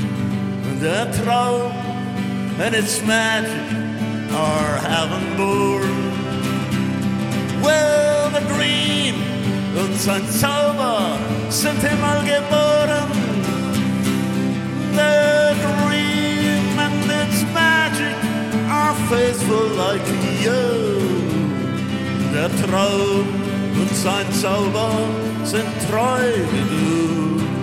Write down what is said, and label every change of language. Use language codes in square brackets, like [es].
[en] And its magic are heaven born. Well, the dream [de] und sein Zauber sind himmel geboren. [en] The dream and its magic are faithful like you. [de] Der Traum und sein Zauber sind treu wie du.